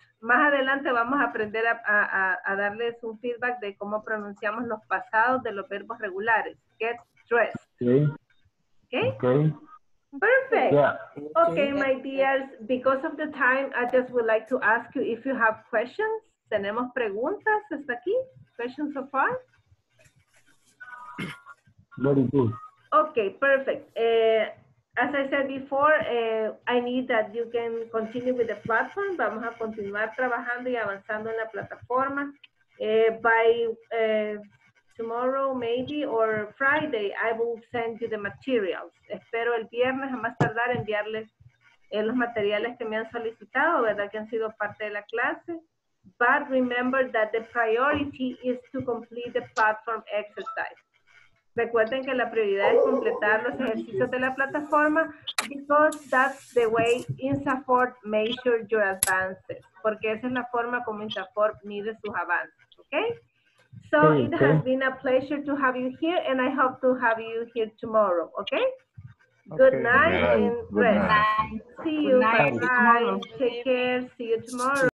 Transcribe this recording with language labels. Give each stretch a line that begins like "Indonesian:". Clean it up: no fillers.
Spanish: Más adelante vamos a aprender a darles un feedback de cómo pronunciamos los pasados de los verbos regulares.
English: Get dressed. Okay. Okay. Perfect. Yeah. Okay, my dears, because of the time, I just would like to ask you if you have questions.
Spanish: ¿Tenemos preguntas hasta aquí?
English: Questions so far? Very good. Okay, perfect. As I said before, I need that you can continue with the platform.
Spanish: Vamos a continuar trabajando y avanzando en la plataforma.
English: By tomorrow, maybe, or Friday, I will send you the materials.
Spanish: Espero el viernes, a más tardar, enviarles los materiales que me han solicitado, ¿verdad? Que han sido parte de la clase.
English: But remember that the priority is to complete the platform exercise.
Spanish: Recuerden que la prioridad es completar los ejercicios de la plataforma
English: because that's the way INSAFORT measures your advances.
Spanish: Porque esa es la forma como INSAFORT mide sus avances, okay?
English: So it has been a pleasure to have you here and I hope to have you here tomorrow, okay? Good night and rest. Good night. See you. Bye-bye. Take care. See you tomorrow.